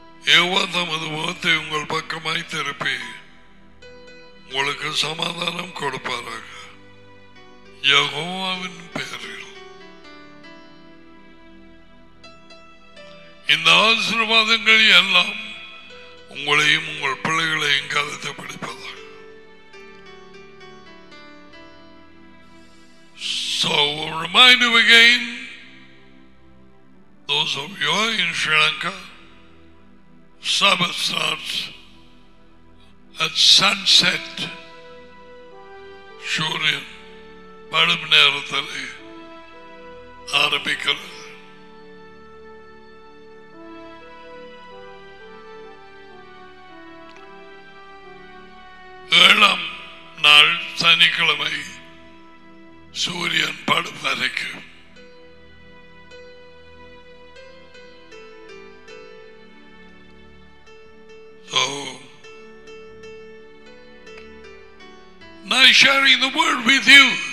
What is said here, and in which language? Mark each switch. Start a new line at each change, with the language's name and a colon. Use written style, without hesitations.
Tamil: யெகோவா தமது முகத்தை உங்கள் பக்கமாய் திருப்பி உங்களுக்கு சமாதானம் கொடுப்பாராக. யெகோவாவின் பெயரில் இந்த ஆசீர்வாதங்கள் எல்லாம் உங்களையும் உங்கள் பிள்ளைகளையும் காலத்தை படிப்பதாக.
English: So remind you again, those of you in Sri Lanka, Sabbath starts at sunset.
Tamil: சூரியன் படும் நேரத்தில் ஆரம்பிக்கிறது. ஏழாம் நாள் சனிக்கிழமை சூரியன் படும் வரைக்கும்
English: I sharing the word with you.